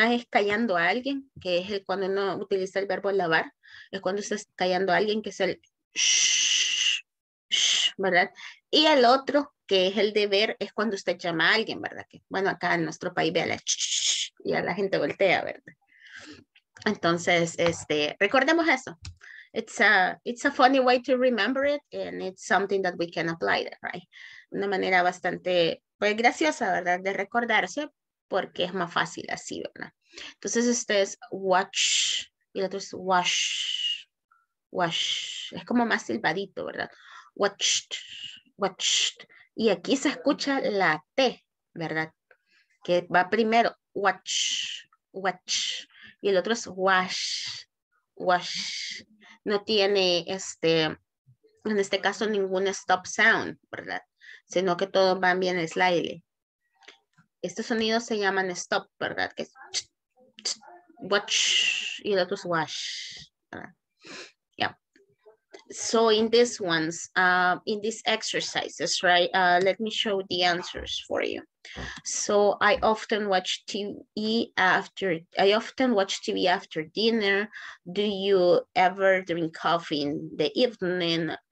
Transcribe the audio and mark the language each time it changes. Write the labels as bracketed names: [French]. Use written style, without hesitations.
[Spanish] Una es callando a alguien, que es el, cuando uno utiliza el verbo lavar, es cuando estás callando a alguien, que es el shh, ¿verdad? Y el otro, que es el deber, es cuando usted llama a alguien, ¿verdad? Que, bueno, acá en nuestro país ve a la shh y a la gente voltea, ¿verdad? Entonces, recordemos eso. [English] It's a funny way to remember it, and it's something that we can apply there, right? [Spanish] Una manera bastante, pues, graciosa, ¿verdad? De recordarse, porque es más fácil así, ¿verdad? Entonces, este es watch, y el otro es wash. Es como más silbadito, ¿verdad? Watched. Y aquí se escucha la T, ¿verdad? Que va primero, watch. Y el otro es wash. No tiene en este caso, ningún stop sound, ¿verdad? Sino que todos van bien el slide. Estos sonidos se llaman stop, ¿verdad? Que es watch y el otro es wash. [English] Yeah. So in these ones, in these exercises, right? Let me show the answers for you. So I often watch TV after dinner. Do you ever drink coffee in the evening?